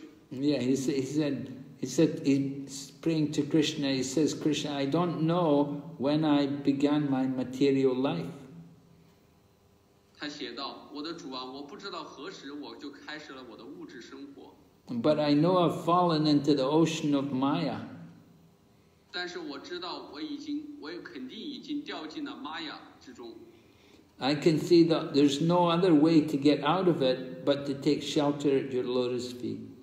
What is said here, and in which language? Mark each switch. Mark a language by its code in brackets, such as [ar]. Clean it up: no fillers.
[en] He's praying to Krishna. He says, Krishna, I don't know when I began my material life. [zh] 他写道，我的主啊，我不知道何时我就开始了我的物质生活。 [en] But I know I've fallen into the ocean of Maya. [zh] 但是我知道我肯定已经掉进了玛雅之中。 [en] I can see that there's no other way to get out of it but to take shelter at your lotus feet.